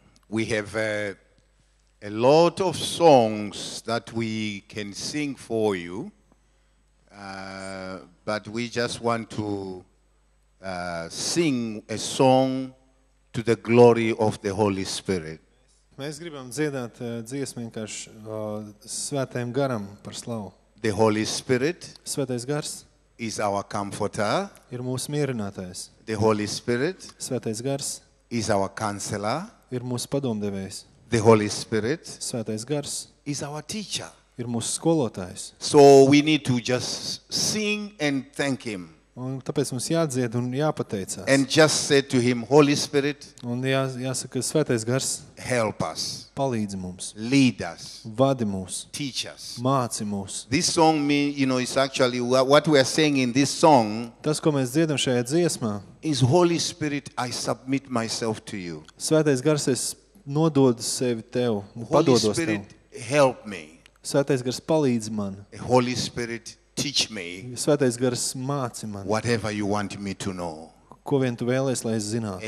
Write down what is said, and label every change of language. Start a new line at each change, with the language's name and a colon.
English: We have a lot of songs that we can sing for you, but we just want to sing a song to the glory of the Holy Spirit.
Latvian: Mēs gribam dziedāt dziesmu vienkārši svētajam garam par slavu.
English: The Holy Spirit,
Latvian: svētais gars,
English: is our comforter,
Latvian: ir mūsu mierinātājs.
English: The Holy Spirit,
Latvian: svētais gars,
English: is our counselor,
Latvian: ir mūsu padomdevējs.
English: The Holy Spirit,
Latvian: svētais gars,
English: is our teacher,
Latvian: ir mūsu skolotājs.
English: So we need to just sing and thank him.
Latvian: Un tāpēc mums jādzied un jāpateicās.
English: And just say to him, Holy Spirit,
Latvian: un jāsaka, svētais gars,
English: help us,
Latvian: palīdzi mums,
English: lead us,
Latvian: vadi mūs,
English: teach us,
Latvian: māci mūs.
English: This song mean, you know, is actually what we are saying in this song,
Latvian: tas, ko mēs dziedam šajā dziesmā,
English: is Holy Spirit, I submit myself to you.
Latvian: Svētais gars, es nododu sevi tev, padodos
English: Holy Spirit,
Latvian: tev.
English: Help me.
Latvian: Svētais gars, palīdzi man.
English: Holy Spirit, teach me.
Latvian: Svētais gars, māci man.
English: Whatever you want me to know.
Latvian: Ko vien tu vēlies, lai es zinātu.